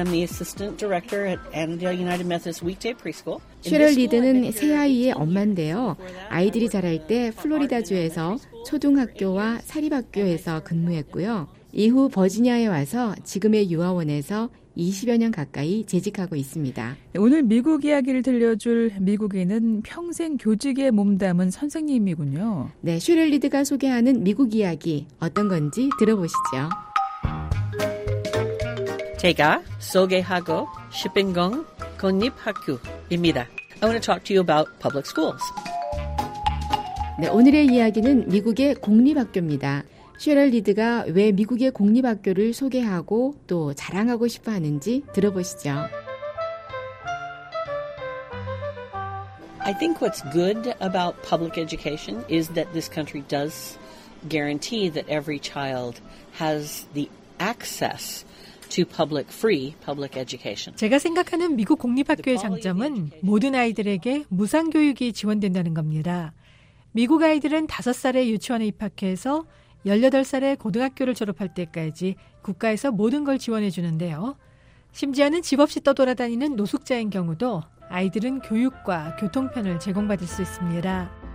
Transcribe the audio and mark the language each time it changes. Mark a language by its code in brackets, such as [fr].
[en] I'm the assistant director at Annandale United Methodist Weekday Preschool. [ko] 셰럴 리드는 새 아이의 엄마인데요. 아이들이 자랄 때 플로리다주에서 초등학교와 사립학교에서 근무했고요. 이후 버지니아에 와서 지금의 유아원에서 20여 년 가까이 재직하고 있습니다. 오늘 미국 이야기를 들려줄 미국인은 평생 교직에 몸담은 선생님이군요. 네, 셰럴 리드가 소개하는 미국 이야기 어떤 건지 들어보시죠. 제가 소개하고 싶은 건 공립학교입니다. [en] I want to talk to you about public schools. [ko] 네, 오늘의 이야기는 미국의 공립학교입니다. 셰럴 리드가 왜 미국의 공립학교를 소개하고 또 자랑하고 싶어 하는지 들어보시죠. [en] I think what's good about public education is that this country does guarantee that every child has the access to public free public education. [ko] 제가 생각하는 미국 공립학교의 장점은 모든 아이들에게 무상 교육이 지원된다는 겁니다. 미국 아이들은 5살에 유치원에 입학해서 18살에 고등학교를 졸업할 때까지 국가에서 모든 걸 지원해 주는데요. 심지어는 집 없이 떠돌아다니는 노숙자인 경우도 아이들은 교육과 교통편을 제공받을 수 있습니다.